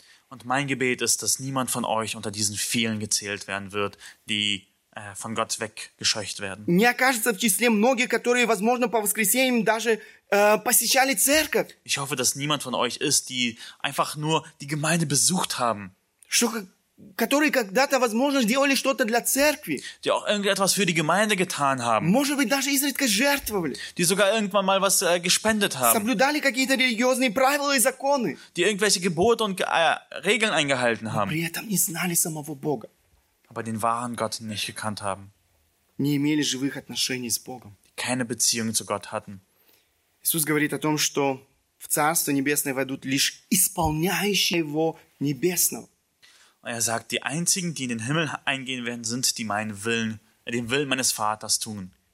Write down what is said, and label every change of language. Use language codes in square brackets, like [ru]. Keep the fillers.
[de] Und mein Gebet ist, dass niemand von euch unter diesen vielen gezählt werden wird, die äh, von Gott weggescheucht werden. [ru] Не окажется в числе многих, которые, возможно, по воскресеньям даже äh, посещали церковь. [de] Ich hoffe, dass niemand von euch ist, die einfach nur die Gemeinde besucht haben. [ru] которые когда-то, возможно, сделали что-то для церкви. [de] Die auch irgendetwas für die Gemeinde getan haben. [ru] Может быть, даже изредка жертвовали. [de] Die sogar irgendwann mal was äh, gespendet haben. [ru] Соблюдали какие-то религиозные правила и законы. [de] Die irgendwelche Gebote und äh, Regeln eingehalten haben. [ru] Но при этом не знали самого Бога. [de] Aber den wahren Gott nicht gekannt haben. [ru] Не имели живых отношений с Богом. [de] Die keine Beziehung zu Gott hatten. [ru] Иисус говорит о том, что в Царство Небесное войдут лишь исполняющие его небесного. [de] Und er sagt, die einzigen, die in den Himmel eingehen werden, sind die die meinen Willen, den Willen meines Vaters tun.